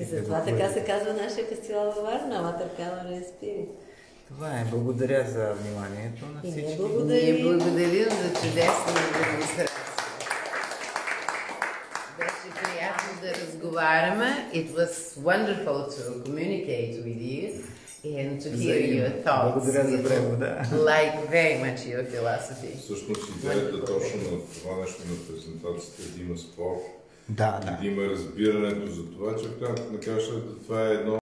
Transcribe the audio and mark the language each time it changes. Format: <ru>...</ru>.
<bg>И за това така се казва нашия фестивал във Варна, Watercolor and Spirit. Това е. Благодаря за вниманието на всички. И благодарим. Благодарим за чудесна демонстрация. Беше приятно да разговаряме.</bg> <en>It was wonderful to communicate with you. And to hear your thoughts, like very much your philosophy.</en> <bg>Всъщност идеята точно на това нещо на презентацията е да има спор, да има разбирането за това, че накажеш, това е едно</bg>